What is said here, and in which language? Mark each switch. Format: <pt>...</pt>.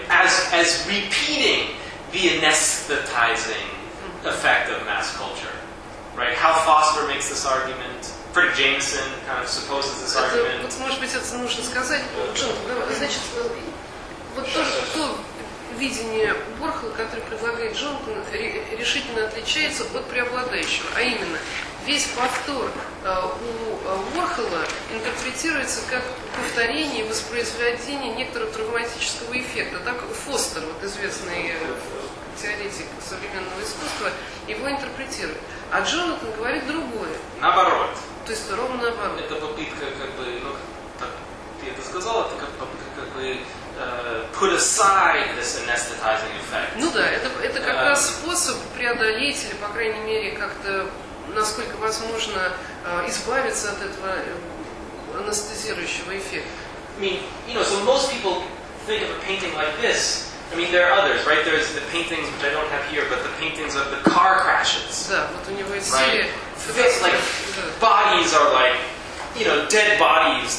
<en>As repeating the anesthetizing effect of mass culture, right? Hal Foster makes this argument. Фред Джеймсон kind of supposes this argument.</en> <ru>Вот, может быть, это нужно сказать. Значит, вот то видение Уорхола, которое предлагает Джонатан, решительно отличается от преобладающего. А именно, весь повтор у Уорхола интерпретируется как повторение и воспроизведение некоторого травматического эффекта. Так Фостер, вот известный теоретик современного искусства, его интерпретирует. А Джонатан говорит другое. Наоборот. То есть ровно наоборот. Это попытка, как бы, ну, так, ты это сказал, это как попытка, как бы,</ru> <en>put aside this anesthetizing effect.</en> <ru>Ну да, это как раз способ преодолеть или, по крайней мере, как-то, насколько возможно, избавиться от этого анестезирующего эффекта.</ru> <en>I mean, you know, so most people think of a painting like this. I mean, there are others, right? There's the paintings, which I don't have here, but the paintings of the car crashes.</en> <ru>Да, вот у него есть серия.</ru> <en>Right? Like, bodies are like, you know, dead bodies.</en>